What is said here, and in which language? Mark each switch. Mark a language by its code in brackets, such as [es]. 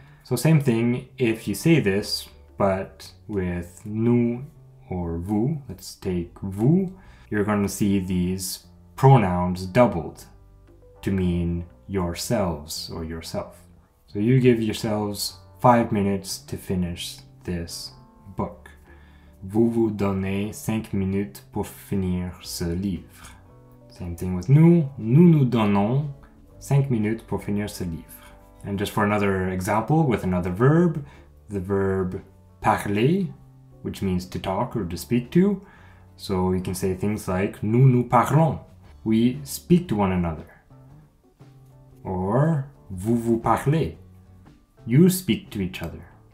[en] So same thing if you say this, but with nous or vous, let's take vous, you're going to see these pronouns doubled to mean yourselves or yourself. So you give yourselves 5 minutes to finish this book. [fr] Vous vous donnez 5 minutes pour finir ce livre. [en] Same thing with nous. [fr] Nous nous donnons 5 minutes pour finir ce livre. [en] And just for another example with another verb, the verb parler, which means to talk or to speak to. So you can say things like [fr] nous nous parlons. [en] We speak to one another. Or [fr] vous vous parlez. [en] You speak to each other.